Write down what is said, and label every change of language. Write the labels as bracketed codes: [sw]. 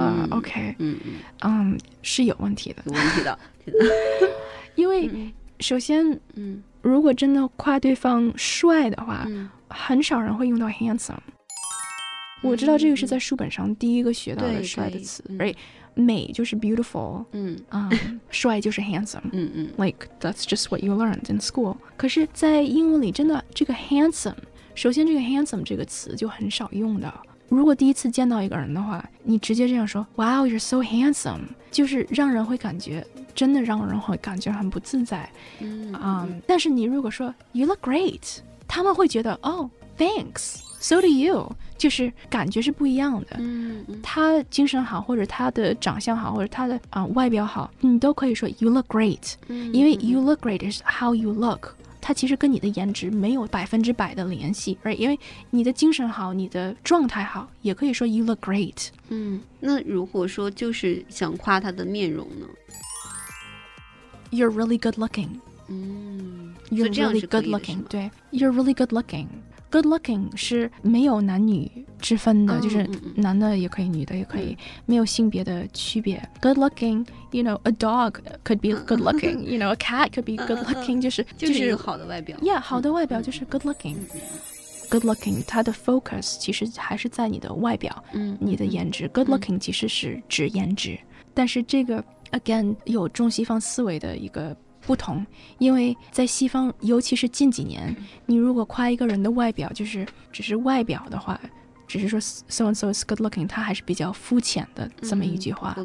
[zh] OK、是有问题的，有问题的因为首先、如果真的夸对方帅的话、很少人会用到 handsome。我知道这个是在书本上第一个学到的帅的词，对对、 [en] 美就是 beautiful， 帅就是 handsome， like that's just what you learned in school。 [zh] 可是，在英文里，真的这个 handsome， 首先这个 handsome 这个词就很少用的。如果第一次见到一个人的话，你直接这样说 ， [en] Wow, you're so handsome， [zh] 就是让人会感觉，真的让人会感觉很不自在。但是你如果说 [en] You look great， [zh] 他们会觉得 [en] Oh, thanks, so do you， [zh] 就是感觉是不一样的。他精神好，或者他的长相好，或者他的、外表好，你都可以说 [en] You look great， [zh] 因为 [en] You look great is how you look。 [zh] 它其实跟你的颜值没有百分之百的联系、right? 因为你的精神好，你的状态好，也可以说 [en] you look great、 [zh] 那如果说就是想夸他的面容呢， [en] you're really good looking. You're really good looking. 对 you're really good looking. [zh] Good looking 是没有男女之分的、就是男的也可以女的也可以、没有性别的区别。 [en] Good looking, you know, a dog could be good looking, you know, a cat could be good looking, 就是 [zh] 一个好的外表。 Yeah, 好的外表就是 good looking.、Good looking, 它的 focus 其实还是在你的外表、你的颜值。 Good looking 其实是指颜值。但是这个 again 有中西方思维的一个不同，因为在西方，尤其是近几年，你如果夸一个人的外表，就是只是外表的话，只是说 [en] so and so is good looking， [zh] 它还是比较肤浅的这么一句话，